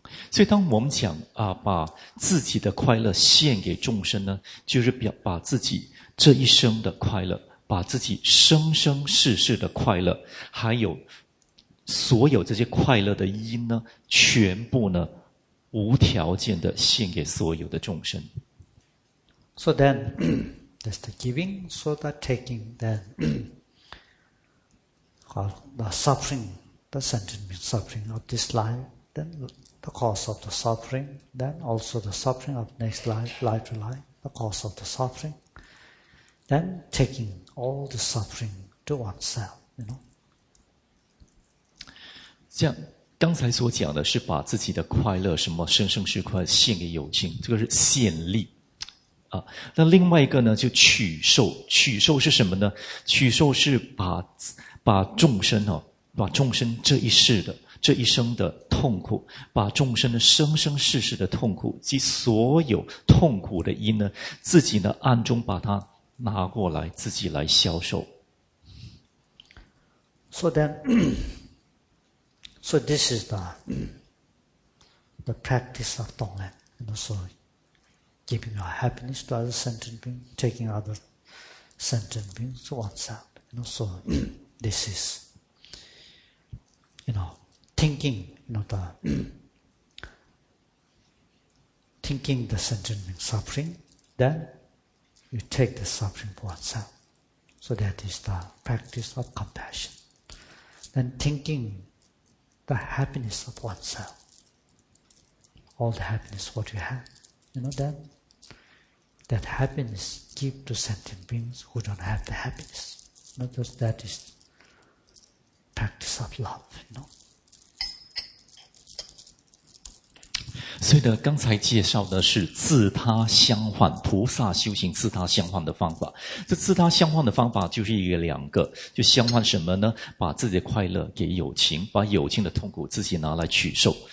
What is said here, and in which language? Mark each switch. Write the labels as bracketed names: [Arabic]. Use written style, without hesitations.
[Chinese] 所以当我们讲啊，把自己的快乐献给众生呢，就是表把自己这一生的快乐，把自己生生世世的快乐，还有所有这些快乐的因呢，全部呢无条件的献给所有的众生。 [English] So then, that's the giving. So the taking, then, the suffering, the sentient suffering of this life, then. The cause of the suffering, then also the suffering of next life, life to life, the cause of the suffering, then taking all the suffering to oneself, you know. [Chinese] 这样，刚才所讲的是把自己的快乐，什么生生世快献给有情，这个是献利。啊，那另外一个呢，就取受，取受是什么呢？取受是把众生哦，把众生这一世的。这一生的痛苦，把众生的生生世世的痛苦及所有痛苦的因呢，自己呢暗中把它拿过来，自己来消受。 [English] So then, so this is the practice of Tonglen, you know, so giving your happiness to other sentient beings, taking other sentient beings to oneself, you know, so this is, you know. Thinking, you know, thinking the sentient being suffering, then you take the suffering for oneself. So that is the practice of compassion. Then thinking the happiness of oneself, all the happiness what you have, you know, then that happiness give to sentient beings who don't have the happiness. You know, because that is practice of love, you know. [Chinese] 所以呢，刚才介绍的是自他相换，菩萨修行自他相换的方法。这自他相换的方法就是一个两个，就相换什么呢？把自己的快乐给有情，把有情的痛苦自己拿来取受。